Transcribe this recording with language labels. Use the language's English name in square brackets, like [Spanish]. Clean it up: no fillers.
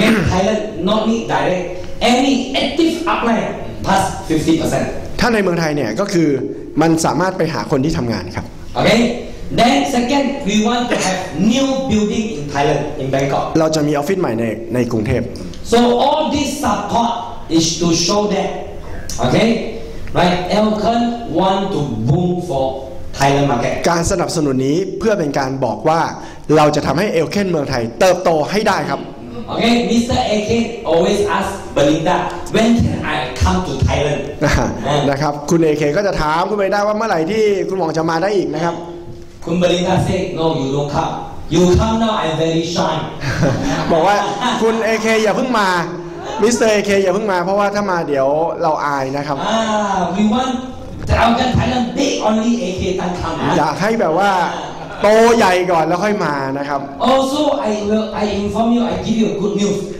[English] Thailand not need direct any active upline plus 50% [Thai] ถ้าในเมืองไทยเนี่ยก็คือมันสามารถไปหาคนที่ทำงานครับ [English] Okay then second we want to have new building in Thailand in Bangkok [Thai] เราจะมีออฟฟิศใหม่ในกรุงเทพ [English] So all this supportis to show that okay right Elken want to boom for Thailand market [Thai] การสนับสนุนนี้เพื่อเป็นการบอกว่าเราจะทำให้ Elken เมืองไทยเติบโตให้ได้ครับ [English] okay Mr. AK always ask Belinda when can I come to Thailand [Thai] นะครับคุณ AK ก็จะถามคุณ Belinda ว่าเมื่อไหร่ที่คุณหวังจะมาได้อีกนะครับ [English] คุณ Belinda say no you don't come you come now I'm very shy [Thai] บอกว่าคุณ AK อย่าเพิ่งมาMr. AK อย่าเพิ่งมาเพราะว่าถ้ามาเดี๋ยวเราอายนะครับ [English] We want to have a Thailand big only AK Tan come [Thai] อยากให้แบบว่าโตใหญ่ก่อนแล้วค่อยมานะครับ [English] Also I inform you I give you good news